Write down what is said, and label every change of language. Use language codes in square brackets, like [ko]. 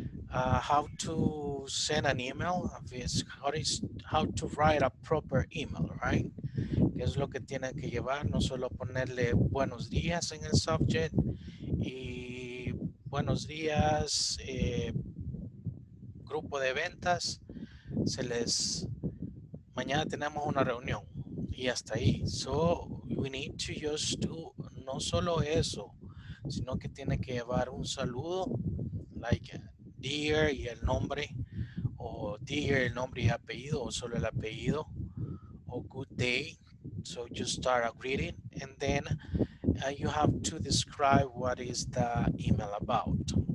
[en] How to send an email, how to write a proper email, right? [es] ¿Qué es lo que tienen que llevar? No solo ponerle buenos días en el subject y buenos días, grupo de ventas, se les, mañana tenemos una reunión y hasta ahí. [en] So we need to just do [es] no solo eso, sino que tiene que llevar un saludo, [en] like dear [es] y el nombre, o dear el nombre y apellido, o solo el apellido, o [en] good day. So you start a greeting, and then you have to describe what is the email about.